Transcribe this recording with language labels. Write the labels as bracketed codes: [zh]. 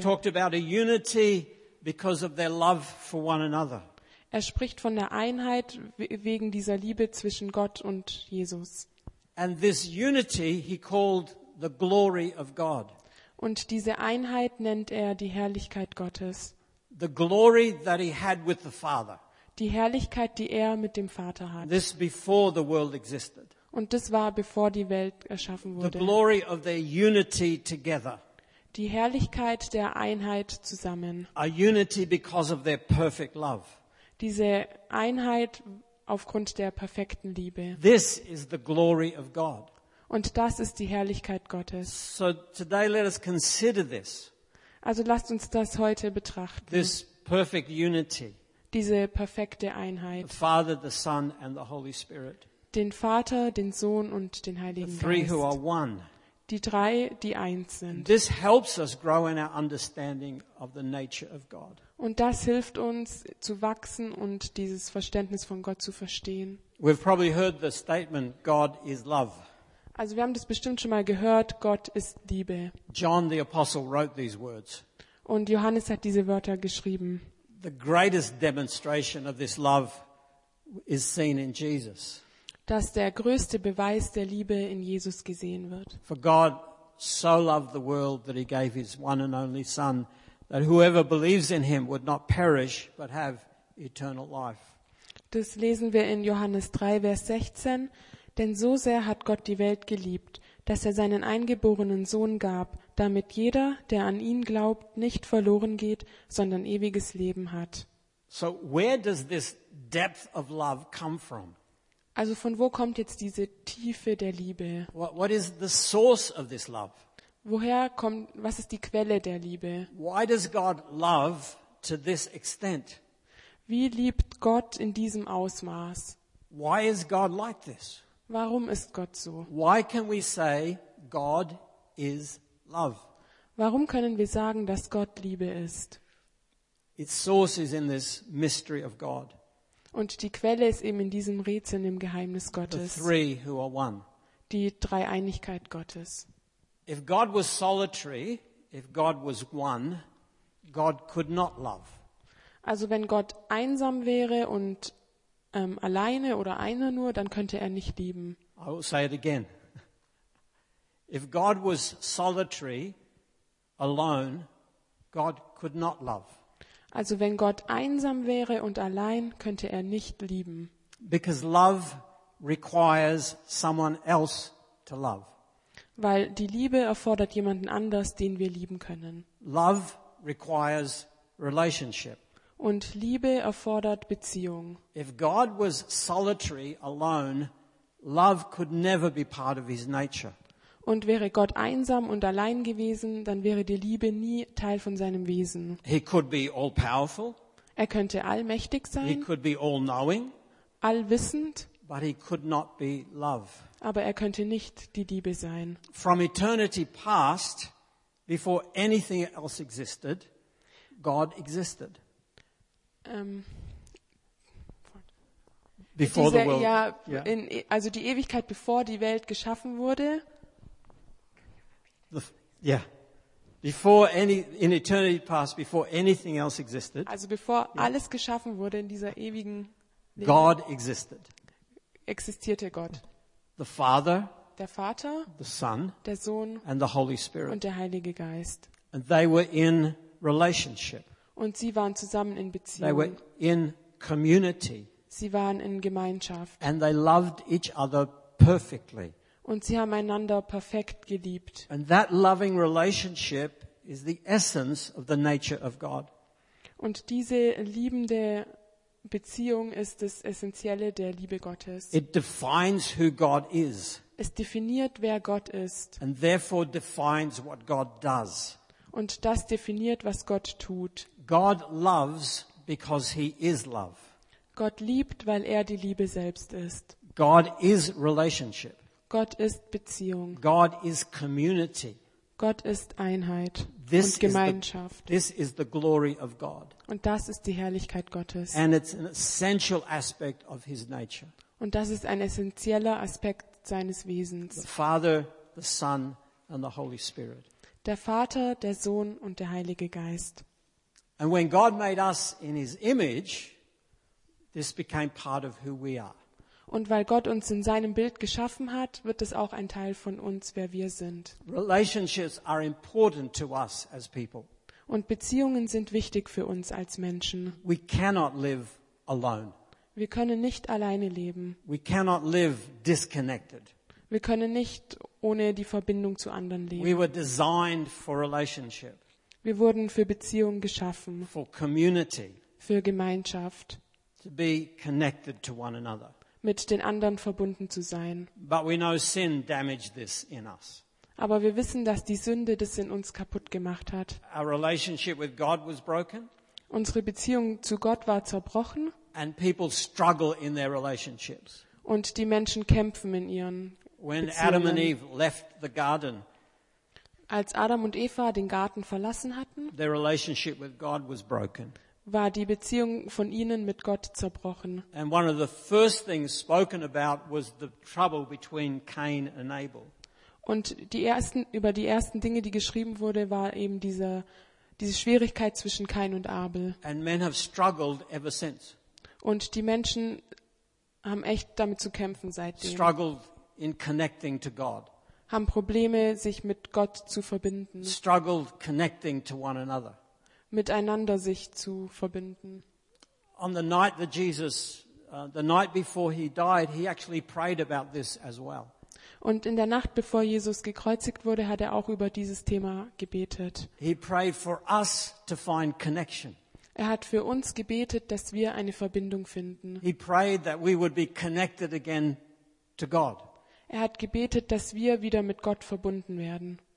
[en] He talked about a unity because of their love for one another. [de] Er spricht von der Einheit wegen dieser Liebe zwischen Gott und Jesus. [en] And this unity he called the glory of God. [de] Und diese Einheit nennt er die Herrlichkeit Gottes. [en] The glory that he had with the Father. [de] Die Herrlichkeit, die er mit dem Vater hat. [en] This before the world existed. [de] Und das war, bevor die Welt erschaffen wurde. [en] The glory of their unity together. [de] Die Herrlichkeit der Einheit zusammen. [en] A unity because of their perfect love. [de] Diese Einheit aufgrund der perfekten Liebe. [en] This is the glory of God. [de] Und das ist die Herrlichkeit Gottes. [en] So today let us consider this. [de] Also lasst uns das heute betrachten. [en] This perfect unity. [de] Diese perfekte Einheit. [en] The Father, the Son and the Holy Spirit. [de] Den Vater, den Sohn und den Heiligen Geist. [en] The three who are one. [de] Die drei, die eins sind. [en] And this helps us grow in our understanding of the nature of God. [de] Und das hilft uns zu wachsen und dieses Verständnis von Gott zu verstehen. [en] We've probably heard the statement, God is love. [de] Also wir haben das bestimmt schon mal gehört, Gott ist Liebe. [en] John the Apostle wrote these words. [de] Und Johannes hat diese Wörter geschrieben. [en] The greatest demonstration of this love is seen in Jesus. [de] Dass der größte Beweis der Liebe in Jesus gesehen wird. [en] For God so loved the world that he gave his one and only Son, that whoever believes in him would not perish, but have eternal life. [de] Das lesen wir in Johannes 3, Vers 16. Denn so sehr hat Gott die Welt geliebt, dass er seinen eingeborenen Sohn gab, damit jeder, der an ihn glaubt, nicht verloren geht, sondern ewiges Leben hat. [en] So where does this depth of love come from? [de] Also von wo kommt jetzt diese Tiefe der Liebe? [en] What is the source of this love? [de] Was ist die Quelle der Liebe? [en] Why does God love to this extent? [de] Wie liebt Gott in diesem Ausmaß? [en] Why is God like this? [de] Warum ist Gott so? [en] Why can we say God is love? [de] Warum können wir sagen, dass Gott Liebe ist? [en] Its source is in this mystery of God. [de] Und die Quelle ist eben in diesem Rätsel, im Geheimnis Gottes. [en] The three who are one. [de] Die Dreieinigkeit Gottes. [en] If God was solitary, if God was one, God could not love. [de] Also wenn Gott einsam wäre und alleine oder einer nur, dann könnte er nicht lieben. [en] I will say it again. If God was solitary, alone, God could not love. [de] Also wenn Gott einsam wäre und allein, könnte er nicht lieben. [en] Because love requires someone else to love. [de] Weil die Liebe erfordert jemanden anders, den wir lieben können. [en] Love requires relationship. [de] Und Liebe erfordert Beziehung. [en] If God was solitary, alone, love could never be part of his nature. [de] Und wäre Gott einsam und allein gewesen, dann wäre die Liebe nie Teil von seinem Wesen. [en] He could be all powerful. [de] Er könnte allmächtig sein. [en] He could be all knowing. [de] Allwissend. [en] But he could not be love. [de] Aber er könnte nicht die Liebe sein. [en] From eternity past, before anything else existed, God existed. Before the world. Ja, yeah. [de] Also die Ewigkeit, bevor die Welt geschaffen wurde. [en] Before in eternity past, before anything else existed. [de] Also bevor alles geschaffen wurde in dieser ewigen Leben, [en] God existed. [de] Existierte Gott. [en] The Father, [de] der Vater, [en] the Son, [de] der Sohn, [en] and the Holy Spirit, [de] und der Heilige Geist. [en] And they were in relationship. [de] Und sie waren zusammen in Beziehung. [en] They were in community. [de] Sie waren in Gemeinschaft. [en] And they loved each other perfectly. [de] und sie haben einander perfekt geliebt. [en] And that loving relationship is the essence of the nature of God. [de] Und diese liebende Beziehung ist das Essentielle der Liebe Gottes. [en] It defines who God is. [de] Es definiert, wer Gott ist. [en] And therefore defines what God does. [de] Und das definiert, was Gott tut. [en] God loves because he is love. [de] Gott liebt, weil er die Liebe selbst ist. [en] God is relationship. [de] Gott ist Beziehung. [en] God is community. [de] Gott ist Einheit und Gemeinschaft. [en] This is the glory of God. [de] Und das ist die Herrlichkeit Gottes. [en] And it's an essential aspect of his nature. [de] Und das ist ein essentieller Aspekt seines Wesens. [en] The Father, the Son and the Holy Spirit. [de] Der Vater, der Sohn und der Heilige Geist. [en] And when God made us in his image, this became part of who we are. [de] Und weil Gott uns in seinem Bild geschaffen hat, wird es auch ein Teil von uns, wer wir sind. [en] Relationships are important to us as people. [de] Und Beziehungen sind wichtig für uns als Menschen. [en] We cannot live alone. [de] Wir können nicht alleine leben. [en] We cannot live disconnected. [de] Wir können nicht ohne die Verbindung zu anderen leben. [en] We were designed for relationship. [de] Wir wurden für Beziehungen geschaffen. [en] For community. [de] Für Gemeinschaft. [en] To be connected to one another. [de] Mit den anderen verbunden zu sein. [en] But we know sin damaged this in us. [de] Aber wir wissen, dass die Sünde das in uns kaputt gemacht hat. [en] Our relationship with God was broken. [de] Unsere Beziehung zu Gott war zerbrochen. [en] And people struggle in their relationships. [de] Und die Menschen kämpfen in ihren [en] when [de] Beziehungen. [en] Adam and Eve left the garden, [de] als Adam und Eva den Garten verlassen hatten, [en] their relationship with God was broken. [de] War die Beziehung von ihnen mit Gott zerbrochen. [en] And one of the first things spoken about was the trouble between Cain and Abel. [de] Und über die ersten Dinge, die geschrieben wurde, war eben diese Schwierigkeit zwischen Cain und Abel. [en] And men have struggled ever since. [de] Und die Menschen haben echt damit zu kämpfen seitdem. [en] Struggled in connecting to God. [de] Haben Probleme, sich mit Gott zu verbinden. [en] Struggled connecting to one another. [de] Miteinander sich zu verbinden. [en] On the night that Jesus, the night before he died, he actually prayed about this as well. [de] Und in der Nacht, bevor Jesus gekreuzigt wurde, hat er auch über dieses Thema gebetet. [en] He prayed for us to find connection. [de] Er hat für uns gebetet, dass wir eine Verbindung finden. [en] He prayed that we would be connected again to God. [de] Er hat gebetet, dass wir wieder mit Gott verbunden werden.